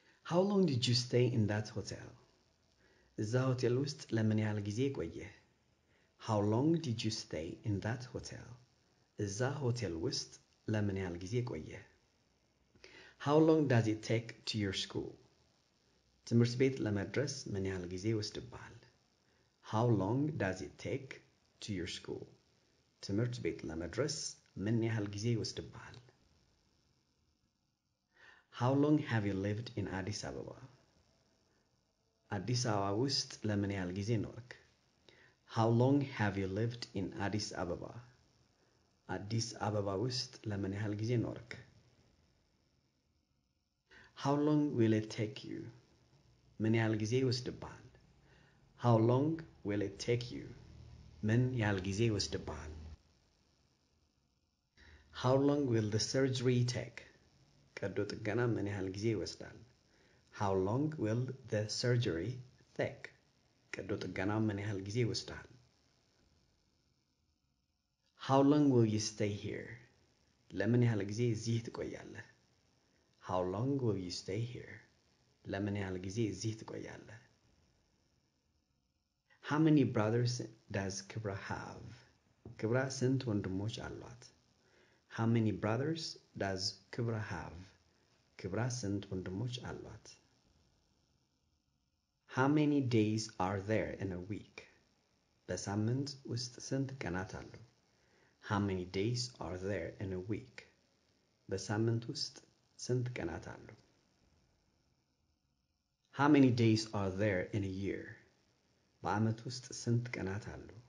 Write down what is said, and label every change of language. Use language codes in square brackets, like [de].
[en] How long did you stay in that hotel? [am] እዛ ሆቴል ውስጥ ለምን ያህል ጊዜ ቆየህ? [en] How long did you stay in that hotel? [am] እዛ ሆቴል ውስጥ ለምን ያህል ጊዜ ቆየህ? [en] How long does it take to your school? [am] ትምህርት ቤት ለመድረስ ምን ያህል ጊዜ ይወስድብሃል? [en] How long does it take to your school? [am] ትምህርት ቤት ለመድረስ ምን ያህል ጊዜ ይወስድብሃል? [en] How long have you lived in Addis Ababa? [am] አዲስ አበባ ውስጥ ለምን ያህል ጊዜ ኖርክ? [en] How long have you lived in Addis Ababa? [am] አዲስ አበባ ውስጥ ለምን ያህል ጊዜ ኖርክ? [en] How long will it take you? [am] ምን ያህል ጊዜ ይወስድብሃል? [en] How long will it take you? [am] ምን ያህል ጊዜ ይወስድብሃል? [en] How long will the surgery take? [am] ቀዶ ጥገና ምን ያህል ጊዜ ይወስዳል? [en] How long will the surgery take? [am] ቀዶ ጥገና ምን ያህል ጊዜ ይወስዳል? [en] How long will you stay here? [am] ለምን ያህል ጊዜ እዚህ ትቆያለህ? [en] How long will you stay here? [am] ለምን ያህል ጊዜ እዚህ ትቆያለህ? [en] How many brothers does Kibra have? [am] Kibra ስንት ወንድሞች አሏት? [en] How many brothers does Kibra have? [am] Kibra ስንት ወንድሞች አሏት? [en] How many days are there in a week? [am] በሳምንት ውስጥ ስንት ቀናት አሉ? [en] How many days are there in a week? [am] በሳምንት ውስጥ ስንት ቀናት አሉ? [en] How many days are there in a year? [am] በአመት ውስጥ ስንት ቀናት አሉ?